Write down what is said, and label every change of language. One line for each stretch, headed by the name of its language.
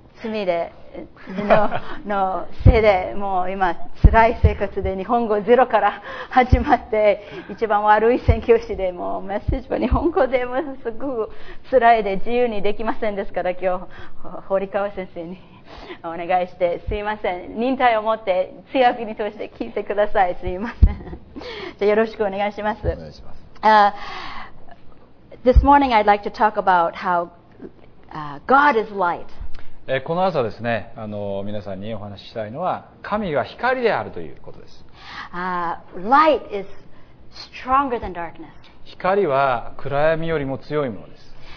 Japanese: 罪で のせいでもう今辛い生活で日本語ゼロから始まって一番悪い宣教師でもうメッセージは日本語でもすごく辛いで自由にできませんですから今日堀川先生にお願いしてすいません忍耐を持って強気に通して聞いてくださいすいませんじゃよろしくお願いしますお願いします
English: This morning I'd like to talk about how God is light
Japanese: この朝ですね、あの皆さんにお話ししたいのは、神は光であるということです。
English: Light is stronger than darkness.
Japanese: 光は暗闇よりも強いものです。